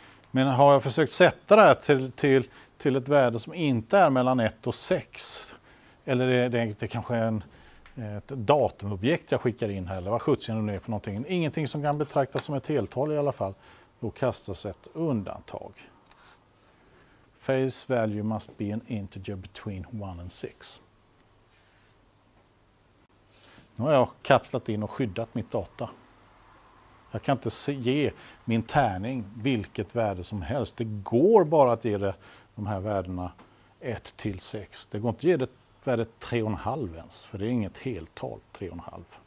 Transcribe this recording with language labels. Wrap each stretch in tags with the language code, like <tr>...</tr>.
<sv>Men har jag försökt sätta det här till ett värde som inte är mellan 1 och 6? Eller det kanske är ett datumobjekt jag skickar in här, eller vad 17 nu är på någonting. Ingenting som kan betraktas som ett heltal i alla fall. då kastas ett undantag.</sv> <en>Face value must be an integer between 1 and 6.</en> <sv>Nu har jag kapslat in och skyddat mitt data. Jag kan inte ge min tärning vilket värde som helst. Det går bara att ge det, de här värdena 1-6. Det går inte att ge det värdet 3,5 ens, för det är inget heltal 3,5.</sv>